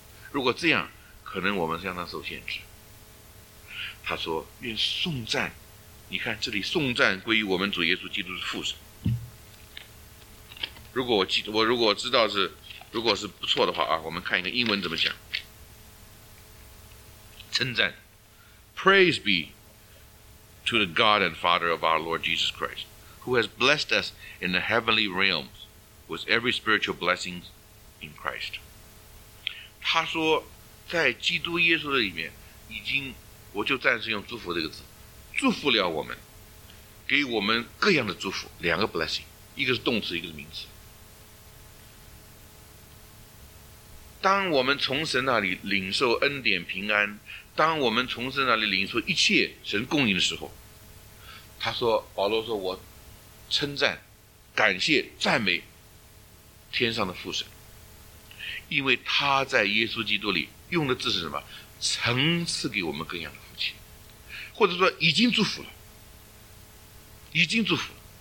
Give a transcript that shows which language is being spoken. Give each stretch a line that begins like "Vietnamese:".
Chinese: 如果这样，可能我们相当受限制。他说：“愿颂赞，你看这里颂赞归于我们主耶稣基督的父神。” 如果我知道是不错的话啊，我们看一个英文怎么讲。
English: 称赞 ，Praise be to the God and Father of our Lord Jesus Christ, who has blessed us in the heavenly realms with every spiritual blessing in Christ。
Chinese: 他说，在基督耶稣的里面，已经我就暂时用祝福这个字，祝福了我们，给我们各样的祝福，两个 blessing， 一个是动词，一个是名词。当我们从神那里领受恩典平安，当我们从神那里领受一切神供应的时候，他说，保罗说，我称赞感谢赞美天上的父神，因为他在耶稣基督里用的字是什么，曾赐给我们各样的福气，或者说已经祝福了，已经祝福了。